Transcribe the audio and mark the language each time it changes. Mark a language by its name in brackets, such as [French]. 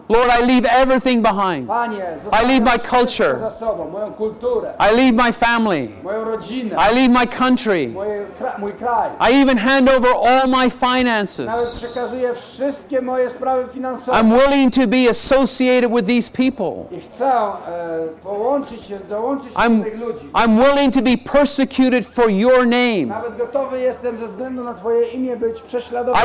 [English] Lord, I leave everything behind. [Polish] Panie, [English] I leave my culture. [Polish] Za sobą, moją kulturę. [English] I leave my family. [Polish] Moją rodzinę. [English] I leave my country. [Polish] Mój kraj. [English] I even hand over all my finances. [Polish] Nawet przekazuję wszystkie moje sprawy finansowe. [English] I'm willing to be associated with these people. [Polish] I chcę połączyć się, dołączyć się do tych ludzi. [English] I'm willing to be persecuted for your name. [Polish] Nawet gotowy jestem ze względu na Twoje imię być prześladowany.